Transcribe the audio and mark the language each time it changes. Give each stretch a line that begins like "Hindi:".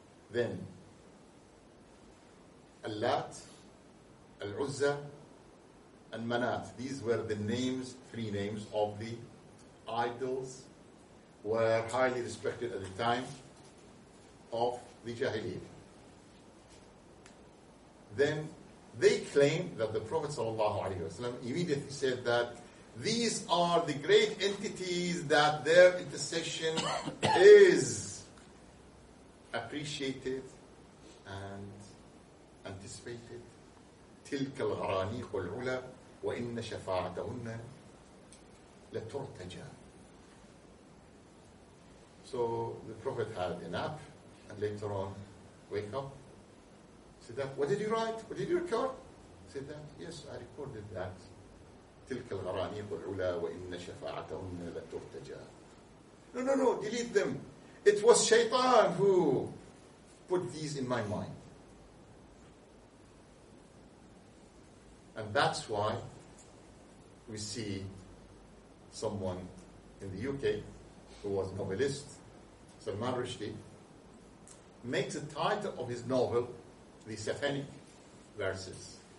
English: Then, اللات, العزة, and منات. These were the names, three names of the idols were highly respected at the time of the Jahiliyyah. Then they claim that the Prophet ﷺ immediately said that these are the great entities that their intercession is appreciated and anticipated.
Arabic: تلك الغرانيق العلى وإن شفاعتهن لترتجى.
English: So the Prophet had a nap and later on wake up. Said that, what did you write? What did you record? Said that, yes, I recorded that.
Arabic: تلك الغرانيق العلى وإن شفاعتهن لترتجى.
English: No, no, no, delete them. It was Shaitan who put these in my mind. And that's why we see someone in the UK who was a novelist, Salman Rushdie, makes the title of his novel The Satanic Verses.